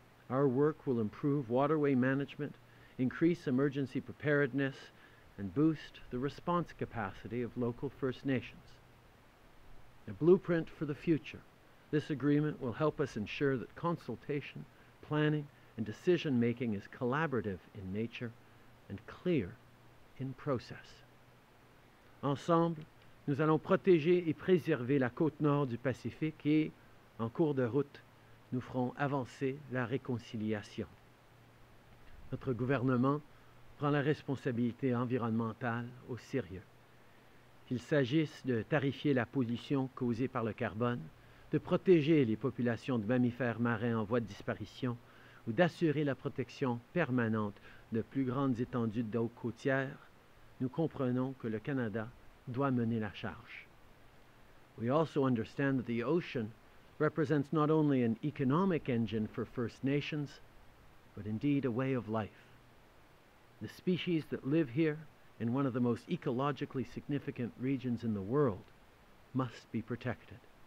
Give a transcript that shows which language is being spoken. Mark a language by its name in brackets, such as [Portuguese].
[English] Our work will improve waterway management, increase emergency preparedness, and boost the response capacity of local First Nations. A blueprint for the future, this agreement will help us ensure that consultation, planning, and decision-making is collaborative in nature and clear in process. [French] Ensemble, nous allons protéger et préserver la côte nord du Pacifique et, en cours de route, nous ferons avancer la réconciliation. Notre gouvernement prend la responsabilité environnementale au sérieux. Qu'il s'agisse de tarifier la pollution causée par le carbone, de protéger les populations de mammifères marins en voie de disparition ou d'assurer la protection permanente de plus grandes étendues d'eau côtière, nous comprenons que le Canada doit mener la charge. [English] We also understand that the ocean represents not only an economic engine for First Nations, but indeed a way of life. The species that live here, in one of the most ecologically significant regions in the world, must be protected.